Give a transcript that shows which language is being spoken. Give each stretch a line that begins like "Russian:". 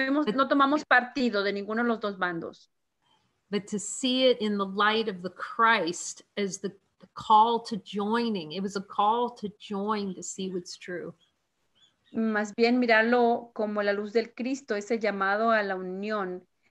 Spanish: No tomamos partido de ninguno de los dos bandos.
English: But to see it in the light of the Christ as the call to joining. It was a call to join to see what's true.
Spanish: Más bien mirarlo como la luz del Cristo, ese llamado a la unión.